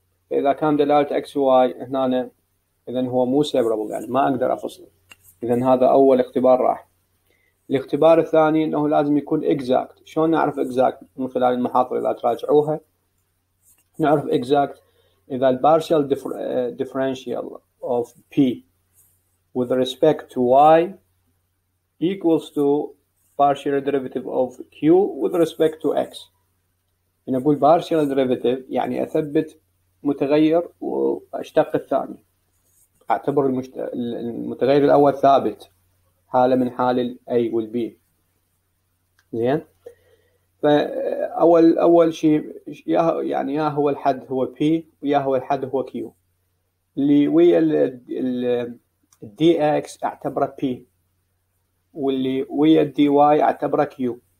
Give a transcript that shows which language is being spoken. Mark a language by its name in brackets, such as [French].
[Arabic] فإذا كان دلالة x و y هنا، إذا هو مو separable، يعني ما أقدر أفصله. إذا هذا أول اختبار راح. الاختبار الثاني أنه لازم يكون exact. شلون نعرف exact؟ من خلال المحاضرة إذا تراجعوها نعرف exact. [English] إذا ال partial differential of p with respect to y equals to partial derivative of q with respect to x. [Arabic] نقول partial derivative يعني أثبت متغير وأشتق الثاني، أعتبر المتغير الأول ثابت حالة من حال الـ A والـ B. زين، فأول شيء يعني يا هو الحد هو P ويا هو الحد هو Q، اللي ويا الـ DX أعتبره P، واللي ويا الـ DY أعتبره Q.